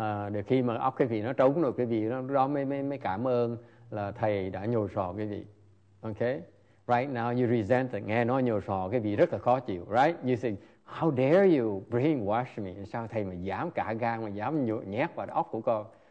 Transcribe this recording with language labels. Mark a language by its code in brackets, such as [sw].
[vi] Để khi mà óc quý vị nó trống rồi, quý vị nó đó mới cảm ơn là thầy đã nhồi sọ cái gì. Okay? [en] Right now you resent it. [vi] Nghe nói nhồi sọ cái gì rất là khó chịu. [en] Right? You say, how dare you brainwash me? [vi] Sao thầy mà dám cả gan mà dám nhét vào óc của con?